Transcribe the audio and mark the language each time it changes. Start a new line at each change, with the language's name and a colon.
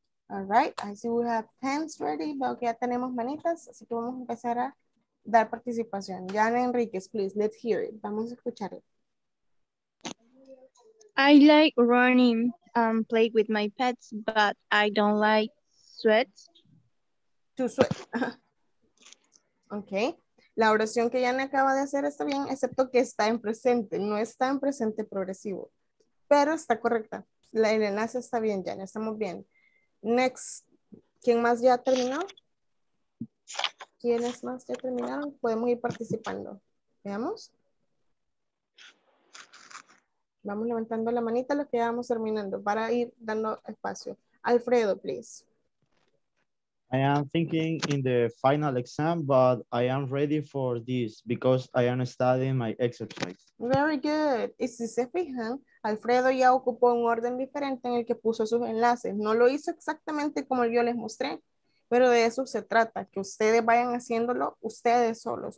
English: All right, I see we have hands ready,
Spanish: pero que ya tenemos manitas, así que vamos a empezar a dar participación.
English: Jan Enriquez, please, let's hear it.
Spanish: Vamos a escuchar
English: it. I like running and play with my pets, but I don't like sweat. To sweat. Okay.
Spanish: La oración que Jan acaba de hacer está bien, excepto que está en presente. No está en presente progresivo, pero está correcta. La enlace está bien, Jan, estamos bien. Next. ¿Quién más ya terminó? ¿Quiénes más ya terminaron? Podemos ir participando. Veamos. Vamos levantando la manita los que ya vamos terminando para ir dando espacio.
English: Alfredo, please. I am thinking in the final exam, but I am ready for this because I am studying my exercise. Very good.
Spanish: Y si se fijan, Alfredo ya ocupó un orden diferente en el que puso sus enlaces. No lo hizo exactamente como yo les mostré, pero de eso se trata, que ustedes vayan haciéndolo ustedes solos.